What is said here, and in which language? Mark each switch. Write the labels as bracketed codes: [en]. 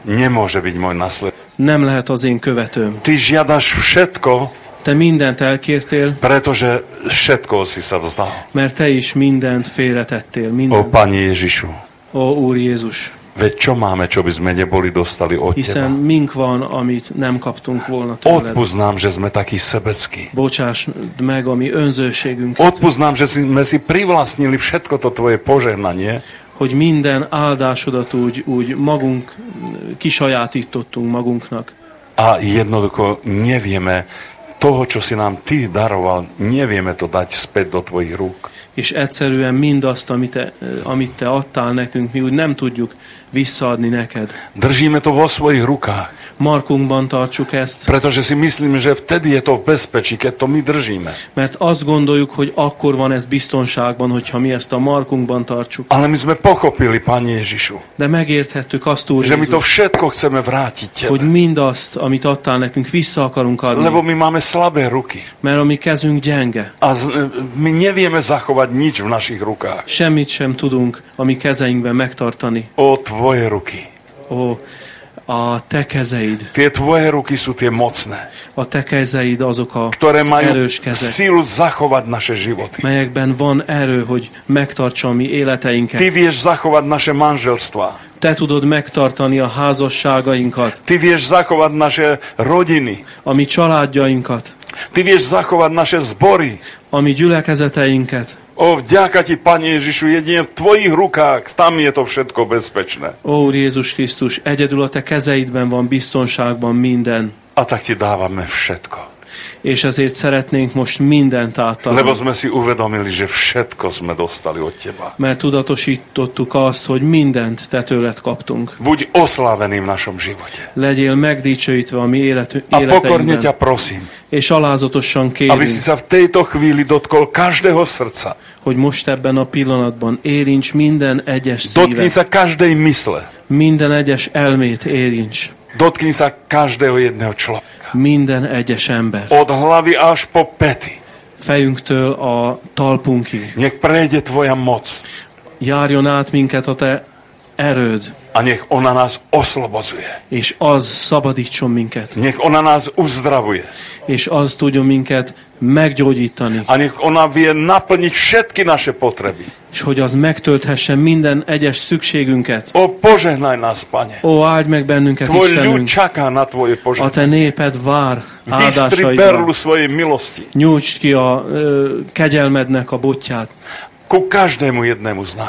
[sk] nemôže byť môj nasledovat. [hu] Nem lehet az én követőm. [sk] Ty žiadaš všetko, [hu] te mindent elkértél, [sk] pretože všetko si sa vzdal. [hu] Mert te is mindent félretettél. [sk] Ó, Pane Ježišu. [hu] Ó, Úr Jézus. [sk] Veď čo máme, čo by sme neboli dostali od [hu] hiszen Mink van, amit nem kaptunk volna tőled. [sk] Odpusť nám, že sme takí sebeckí. [hu] Bocsásd meg a mi önzőségünket. [sk] Odpusť nám, že sme si privlastnili všetko to tvoje požehnanie. [hu] Hogy minden áldásodat úgy magunk kisajátítottunk magunknak. [sk] A jednoducho nevieme toho, čo si nám ty daroval, nevieme to dať späť do tvojich rúk. [hu] És egyszerűen mindazt, amit te adtál nekünk, mi úgy nem tudjuk visszaadni neked. [sk] Držíme to vo svojich rukách. [hu] Markunkban tartsuk ezt. [sk] Pretože si myslíme, že vtedy je to v bezpečí, keď to my držíme. [hu] Mert azt gondoljuk, hogy akkor van ez biztonságban, hogyha mi ezt a markunkban tartsuk. [sk] Ale my sme pochopili, Pane Ježišu. [hu] De megérthettük azt, Úr Jézus. [sk] Že my to všetko chceme vrátiť tebe. [hu] Hogy mindazt, amit adtál nekünk, vissza akarunk adni. [sk] Lebo my máme slabé ruky. [hu] Mert a mi kezünk gyenge. [sk] My nevieme zachovať nič v našich rukách. [hu] Semmit sem tudunk a mi kezeinkben megtartani. [sk] Ó, tvoje ruky. [hu] Ó, a te kezeid. [sk] Tie tvoje ruky sú tie mocné. [hu] A te kezeid azok a [sk] ktoré majú [hu] erős kezek. [sk] Sílu zachovať naše životy. [hu] Melyekben van erő, hogy megtartsa mi életeinket. [sk] Ty vieš zachovať naše manželstvá. [hu] Te tudod megtartani a házasságainkat. [sk] Ty vieš zachovať naše rodiny. [hu] A mi családjainkat. [sk] Ty vieš zachovať naše zbory. [hu] A mi gyülekezeteinket. [sk] Ó, vďaka ti, Pane Ježišu, jedine v tvojich rukách, tam je to všetko bezpečné. [hu] Ó, Úr Jézus Krisztus, egyedül a te kezeidben van biztonságban minden. [sk] A tak ti dávame všetko. [hu] És ezért szeretnénk most mindent átadni. [sk] Lebo sme si uvedomili, že všetko sme dostali od teba. [hu] Mert tudatosítottuk azt, hogy mindent te tőled kaptunk. [sk] Buď oslávený v našom živote. [hu] Legyél megdicsőítve a mi [sk] életeinkben. A pokorne ťa prosím. [hu] És alázatosan kérünk. [sk] Aby si sa v tejto chvíli dotkol každého srdca. [hu] Hogy most ebben a pillanatban érincs minden egyes szíve. [sk] Dotkni sa každej mysle. [hu] Minden egyes elmét érincs. [sk] Dotkni sa každého jedného človeka. [hu] Minden egyes ember. [sk] Od hlavy až po pety. [hu] Fejünktől a talpunkig. [sk] Nech prejde tvoja moc. [hu] Járjon át minket a te erőd. [sk] A nech ona nás oslobozuje. [hu] És az szabadítson minket. [sk] Nech ona nás uzdravuje. [hu] És az tudjon minket meggyógyítani. [sk] A nech ona vie naplniť všetky naše potreby. [hu] És hogy az megtölthesse minden egyes szükségünket. [sk] Ó, požehnaj nás, Pane. [hu] Ó, áld meg bennünket, [sk] tvoj [hu] Istenünk. [sk] Tvoj ľud čaká na tvoje požehnanie. [hu] A te néped vár áldásaidra. [sk] Vystri perlu svojej milosti. [hu] Nyújtsd ki a kegyelmednek a botját. [sk] Ku každému jednému z nás.